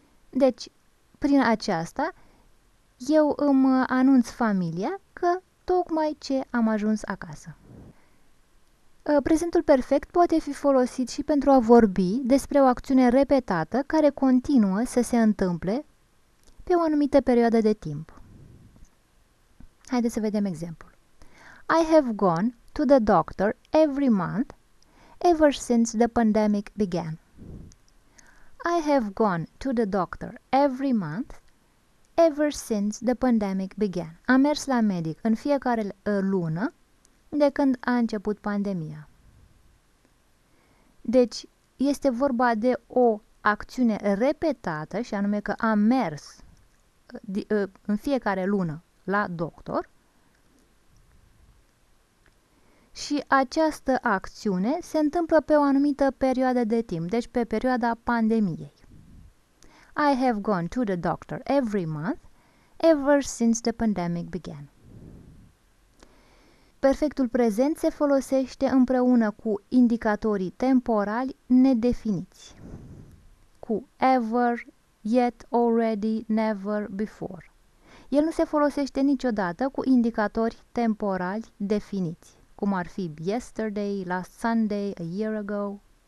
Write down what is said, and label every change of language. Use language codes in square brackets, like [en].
[ro] Deci, prin aceasta, eu îmi anunț familia că tocmai ce am ajuns acasă. Prezentul perfect poate fi folosit și pentru a vorbi despre o acțiune repetată care continuă să se întâmple pe o anumită perioadă de timp. Haideți să vedem exemplul. [en] I have gone to the doctor every month ever since the pandemic began. I have gone to the doctor every month ever since the pandemic began. [ro] Am mers la medic în fiecare lună de când a început pandemia. Deci, este vorba de o acțiune repetată, și anume că am mers în fiecare lună la doctor. Și această acțiune se întâmplă pe o anumită perioadă de timp, deci pe perioada pandemiei. [en] I have gone to the doctor every month ever since the pandemic began. [ro] Perfectul prezent se folosește împreună cu indicatorii temporali nedefiniți, cu ever, yet, already, never, before. El nu se folosește niciodată cu indicatori temporali definiți, cum ar fi [en] yesterday, last Sunday, a year ago.